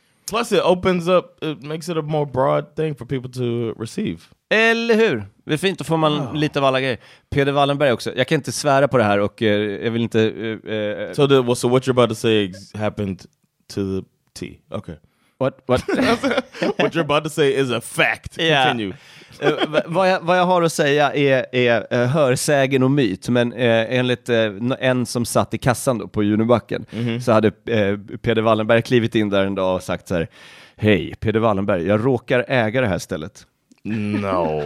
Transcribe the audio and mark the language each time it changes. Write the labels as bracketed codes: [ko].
[en] Plus it opens up, it makes it a more broad thing for people to receive. [sv] Eller hur? Det är fint, då får man lite av alla grejer. Peder Wallenberg också. Jag kan inte svära på det här och jag vill inte... [en] So what you're about to say happened to the T. Okay. What? What you're about to say is a fact. Yeah. Continue. [sv] vad jag har att säga är hörsägen och myt. Men enligt en som satt i kassan då på Junibacken, mm-hmm, så hade Peder Wallenberg klivit in där en dag och sagt så här: hej, Peder Wallenberg, jag råkar äga det här stället. [en] No.